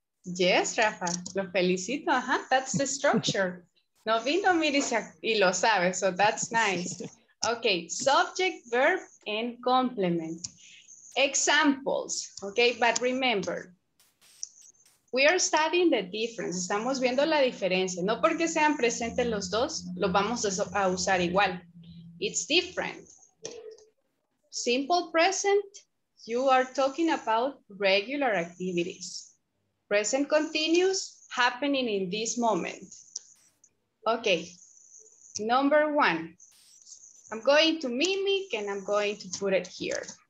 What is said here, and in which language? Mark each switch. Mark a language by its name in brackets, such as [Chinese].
[English] Yes, Rafa, [Spanish] lo felicito. [English] Ajá, uh-huh. That's the structure. [Spanish] No vino, mire, y lo sabe, [English] so that's nice. Okay, subject, verb, and complement. Examples, okay, but remember, we are studying the difference. [Spanish] Estamos viendo la diferencia. No porque sean presentes los dos, los vamos a usar igual. [English] It's different. Simple present, you are talking about regular activities. Present continuous, happening in this moment. Okay, number one. I'm going to mimic and I'm going to put it here.